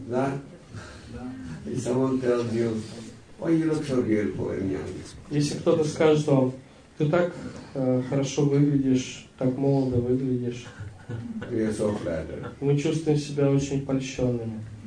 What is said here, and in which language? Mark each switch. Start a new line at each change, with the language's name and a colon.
Russian: Да?
English: If someone tells you, why you look so beautiful and young?
Russian: Если кто-то скажет вам, ты так хорошо выглядишь, так молодо выглядишь.
English: We are so flattered.
Russian: Мы чувствуем себя очень польщенными.